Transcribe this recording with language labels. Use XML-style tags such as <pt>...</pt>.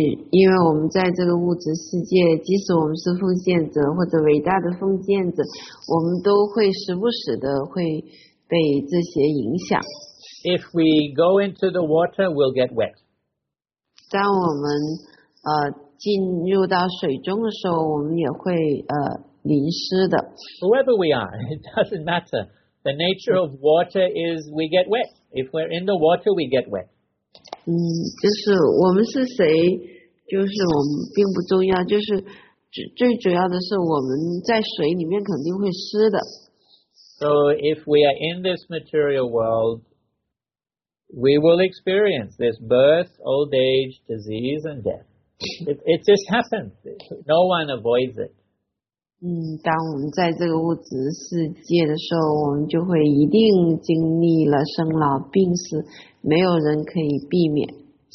<zh>因为我们在这个物质世界，即使我们是奉献者或者伟大的奉献者，我们都会时不时的会被这些影响。</zh> <en>If we go into the water, we'll get wet.</en> <zh>当我们进入到水中的时候，我们也会淋湿的。</zh> <en>Whoever we are, it doesn't matter. The nature of water is we get wet. If we're in the water, we get wet.</en> <zh>就是我们是谁，就是我们并不重要。就是最主要的是我们在水里面肯定会湿的。</zh> <en>So if we are in this material world,We will experience this birth, old age, disease, and death. It just happens. No one avoids it.</en> <zh>当我们在这个物质世界的时候，我们就会一定经历了生老病死，没有人可以避免。</zh>